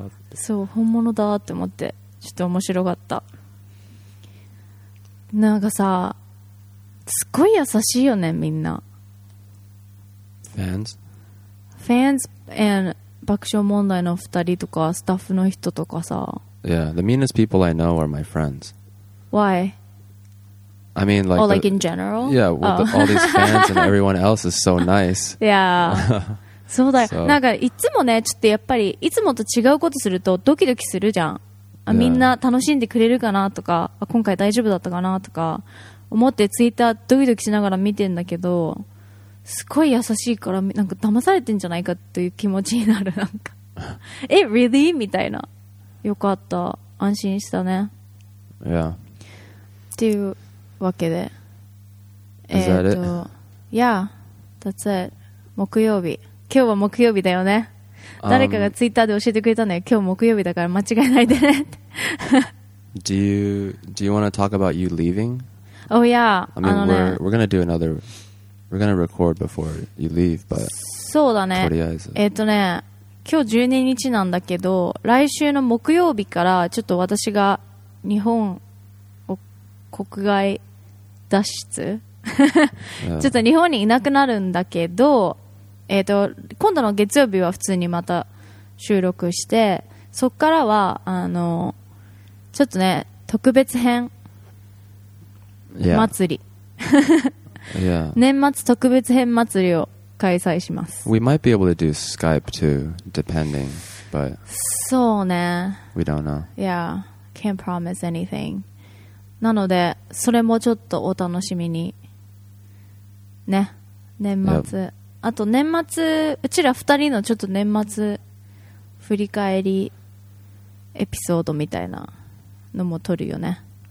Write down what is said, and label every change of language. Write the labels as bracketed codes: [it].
[ja] ってそう本物だって思ってちょっと面白かったなんかさすっごい優しいよねみんなファンズ and 爆笑問題の2人とかスタッフの人とかさ [en] Yeah, the meanest people I know are my friends Why? I mean, like, oh, like in general? Yeah, with all these fans and everyone else is so nice. [ja] Yeah. そうだよ。なんか、いつもね、ちょっとやっぱり、いつもと違うことするとドキドキするじゃん。 [en] Yeah. [ja] みんな楽しんでくれるかなとか、今回大丈夫だったかなとか、思ってツイッタードキドキしながら見てんだけど、すごい優しいから、なんか騙されてんじゃないかっていう気持ちになる、なんか。え、 [en] really? [ja] みたいな。よかった。安心したね。 [en] Yeah. [ja] っていう。わけで、 [en] Is that it? Yeah, that's it. [ja] 木曜日。今日は木曜日だよね。誰かがツイッターで教えてくれたね。今日木曜日だから間違いないでね。 [en] Do you want to talk about you leaving? Oh yeah. I mean, we're gonna do another. We're gonna record before you leave, but. [ja] そうだね。とりあえず。ね、今日12日なんだけど、来週の木曜日からちょっと私が日本国外脱出、 [en] yeah. [ja] ちょっと日本にいなくなるんだけど今度の月曜日は普通にまた収録して、そこからはちょっとね特別編、 [en] yeah. [ja] 祭り [en] yeah. [ja] 年末特別編祭りを開催します。 [en] We might be able to do Skype too depending, but [ja] そうね [en] We don't know. Yeah, can't promise anything. [ja] なのでそれもちょっとお楽しみにね、年末、yep. あと年末うちら2人のちょっと年末振り返りエピソードみたいなのも撮るよね、